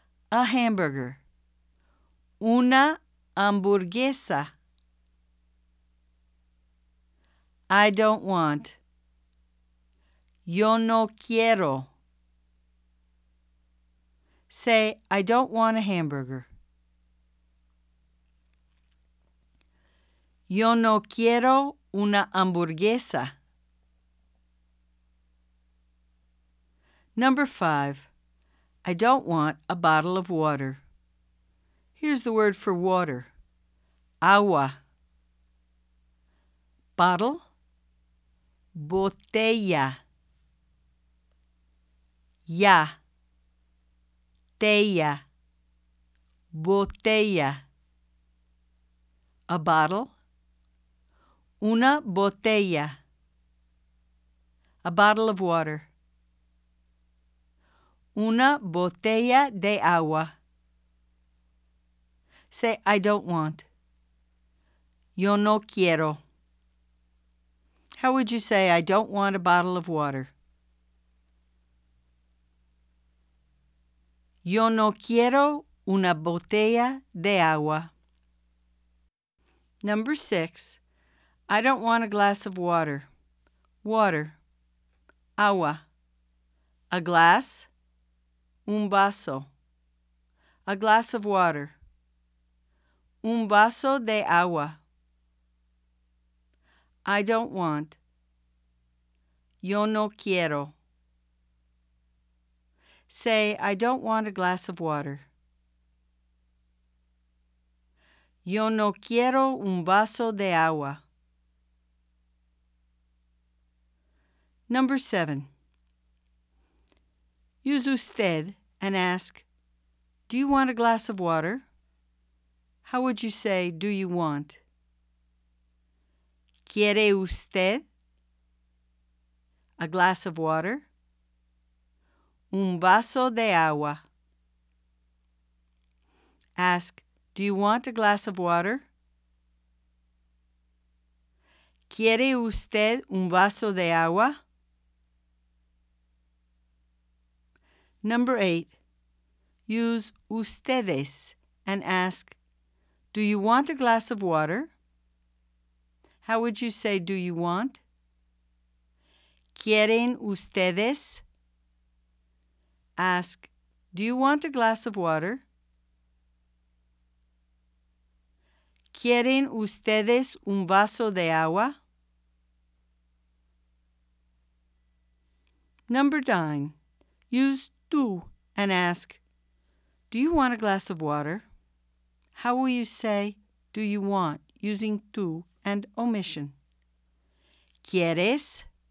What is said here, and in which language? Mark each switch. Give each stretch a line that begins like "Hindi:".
English: A hamburger.
Spanish: Una hamburguesa.
English: I don't want.
Spanish: Yo no quiero.
English: Say, I don't want a hamburger.
Spanish: Yo no quiero una hamburguesa.
English: Number 5. I don't want a bottle of water. Here's the word for water.
Spanish: Agua.
English: Bottle. Botella.
Spanish: Ya. Teya. Botella.
English: A bottle.
Spanish: Una botella.
English: A bottle of water.
Spanish: Una botella de agua.
English: Say, I don't want.
Spanish: Yo no quiero.
English: How would you say, I don't want a bottle of water?
Spanish: Yo no quiero una botella de agua.
English: Number 6. I don't want a glass of water. Water. Agua. A glass.
Spanish: Un vaso.
English: A glass of water.
Spanish: Un vaso de agua.
English: I don't want.
Spanish: Yo no quiero.
English: Say, I don't want a glass of water.
Spanish: Yo no quiero un vaso de agua.
English: Number 7. Use usted and ask, do you want a glass of water? How would you say, do you want?
Spanish: ¿Quiere usted?
English: A glass of water.
Spanish: Un vaso de agua.
English: Ask, do you want a glass of water?
Spanish: ¿Quiere usted un vaso de agua?
English: Number 8. Use ustedes and ask, do you want a glass of water? How would you say do you want?
Spanish: ¿Quieren ustedes?
English: Ask, do you want a glass of water?
Spanish: ¿Quieren ustedes un vaso de agua?
English: Number 9. Use tú and ask, do you want a glass of water? How will you say do you want using tú and omission? ¿Quieres?